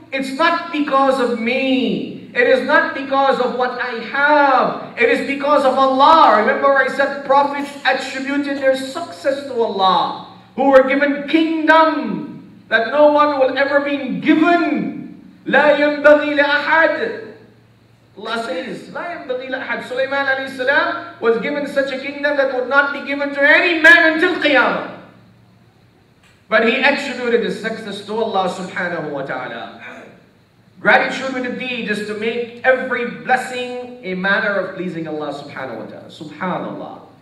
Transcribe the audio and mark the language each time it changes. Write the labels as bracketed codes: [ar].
[en] It's not because of me. It is not because of what I have. It is because of Allah. Remember I said prophets attributed their success to Allah, who were given kingdom that no one will ever be given. [ar] لا ينبغي لأحد. [en] Allah says, [ar] لَا يَنْبَغِي لَأَحَدٍ. [en] Sulaiman alayhi salam was given such a kingdom that would not be given to any man until Qiyamah. But he attributed his success to Allah subhanahu wa ta'ala. Gratitude with a deed is to make every blessing a manner of pleasing Allah subhanahu wa ta'ala. Subhanallah.